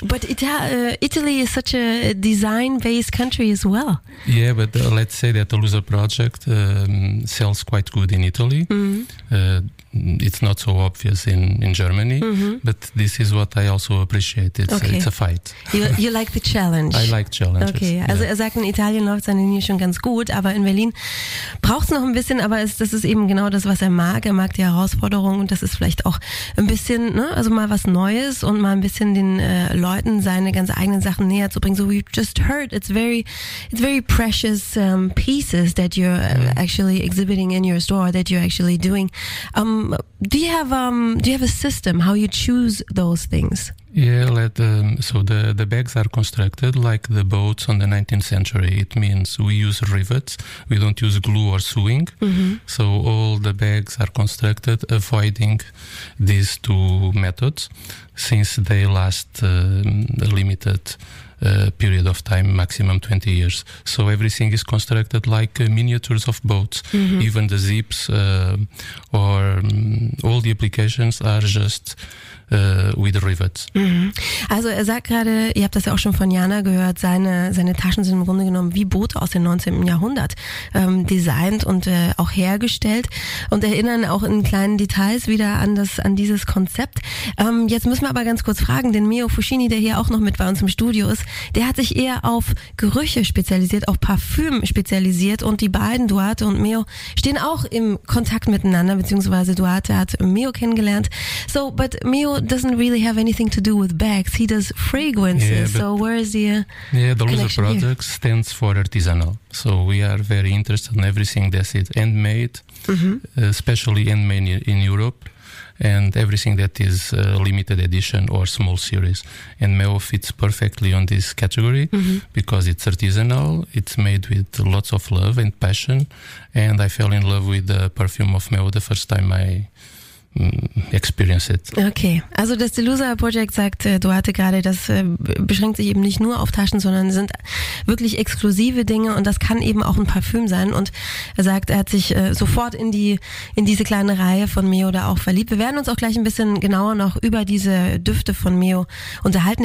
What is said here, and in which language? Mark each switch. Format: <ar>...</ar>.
<en>But Italy is such a design-based country as well. Yeah, but let's say that the Loser Project sells quite good in Italy. It's not so obvious in Germany, but this is what I also appreciate. It's a fight. You like the challenge. I like challenges.</en> <de>Okay, also er sagt, in Italien läuft seine Linie schon ganz gut, aber in Berlin braucht es noch ein bisschen, aber das ist eben genau das, was er mag. Er mag die Herausforderungen und das ist vielleicht auch ein bisschen, ne, also mal was Neues und mal ein bisschen den Leuten seine ganz eigenen Sachen näher zu bringen.</de> <en>So we've just heard, it's very precious pieces that you're actually exhibiting in your store, that you're actually doing. Do you have a system how you choose those things? Yeah, the bags are constructed like the boats on the 19th century. It means we use rivets. We don't use glue or sewing. So all the bags are constructed avoiding these two methods since they last a limited period of time, maximum 20 years. So everything is constructed like miniatures of boats. Even the zips all the applications are just with rivets.</en> <de>Also er sagt gerade, ihr habt das ja auch schon von Jana gehört, seine Taschen sind im Grunde genommen wie Boote aus dem 19. Jahrhundert designt und auch hergestellt und erinnern auch in kleinen Details wieder an dieses Konzept. Jetzt müssen wir aber ganz kurz fragen, den Meo Fuschini, der hier auch noch mit bei uns im Studio ist, der hat sich eher auf Gerüche spezialisiert, auf Parfüm spezialisiert und die beiden, Duarte und Meo, stehen auch im Kontakt miteinander, beziehungsweise Duarte hat Meo kennengelernt.</de> <en>So, but Meo doesn't really have anything to do with bags, he does fragrances, yeah, so where is the Yeah, the Loser Products here? Stands for artisanal, so we are very interested in everything that is handmade, especially handmade in Europe. And everything that is limited edition or small series. And Meo fits perfectly on this category because it's artisanal, it's made with lots of love and passion. And I fell in love with the perfume of Meo the first time I experience it.</en> <de>Okay, also das Delusa Project, sagt Duarte gerade, das beschränkt sich eben nicht nur auf Taschen, sondern sind wirklich exklusive Dinge und das kann eben auch ein Parfüm sein. Und er sagt, er hat sich sofort in diese kleine Reihe von Meo da auch verliebt. Wir werden uns auch gleich ein bisschen genauer noch über diese Düfte von Meo unterhalten.</de>